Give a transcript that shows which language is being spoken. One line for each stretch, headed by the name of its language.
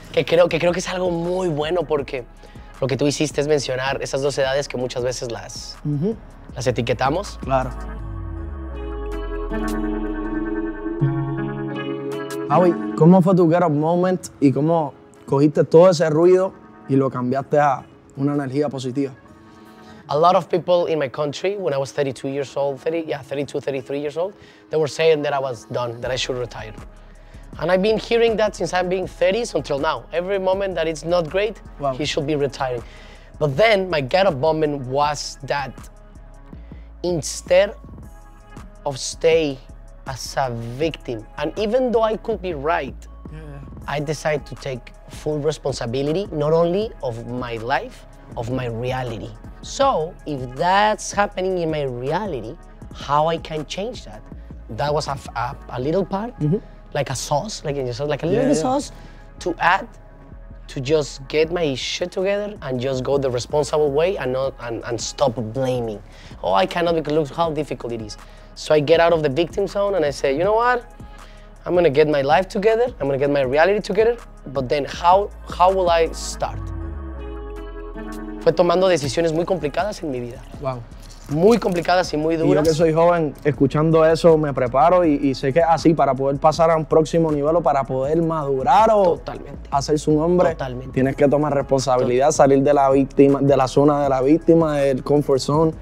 Spanish: Que creo que es algo muy bueno porque lo que tú hiciste es mencionar esas dos edades que muchas veces las etiquetamos. Claro. Javi, ¿cómo fue tu
English: get up moment
Spanish: y cómo cogiste todo ese ruido y lo cambiaste a una energía positiva?
English: A lot of people in my country, when I was 32 years old, 33 years old, they were saying that I was done, that I should retire. And I've been hearing that since I'm being 30s until now. Every moment that it's not great, wow, he should be retiring. But then my get up moment was that instead of stay as a victim, and even though I could be right, I decided to take full responsibility, not only of my life, of my reality. So, if that's happening in my reality, how I can change that? That was a little part, like a sauce, like a little sauce to add, to just get my shit together and just go the responsible way and not and stop blaming. Oh, I cannot, because look how difficult it is. So I get out of the victim zone and I say, you know what? I'm gonna get my life together, I'm gonna get my reality together, but then how will I start?
Spanish: Fue tomando decisiones muy complicadas en mi vida. Wow. Muy complicadas y muy duras. Y yo que soy joven, escuchando eso me preparo y sé que así para poder pasar a un próximo nivel o para poder madurar o totalmente hacer su nombre, totalmente, tienes que tomar responsabilidad, salir de la víctima, de la zona de la víctima, del
English: comfort zone.